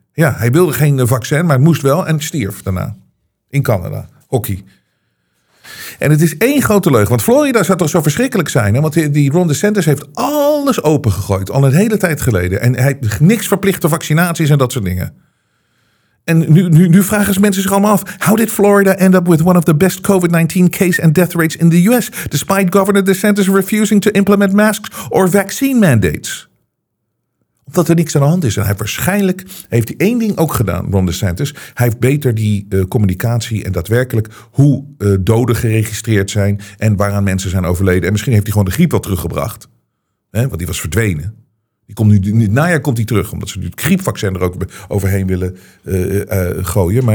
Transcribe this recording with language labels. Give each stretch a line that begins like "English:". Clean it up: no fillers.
Dutch: Ja, hij wilde geen vaccin, maar het moest wel en het stierf daarna. In Canada, hockey. En het is één grote leugen, want Florida zou toch zo verschrikkelijk zijn. Hè? Want die Ron DeSantis heeft alles opengegooid, al een hele tijd geleden. En hij heeft niks verplichte vaccinaties en dat soort dingen. En nu vragen ze mensen zich allemaal af.
English: How did Florida end up with one of the best COVID-19 case and death rates in the US, despite Governor DeSantis refusing to implement masks or vaccine mandates?
Dutch: Omdat er niks aan de hand is. En heeft hij één ding ook gedaan, Ron DeSantis. Hij heeft beter die communicatie en daadwerkelijk hoe doden geregistreerd zijn en waaraan mensen zijn overleden. En misschien heeft hij gewoon de griep wel teruggebracht. Hè, want die was verdwenen. Die komt nu, in het najaar komt hij terug, omdat ze nu het griepvaccin er ook overheen willen gooien.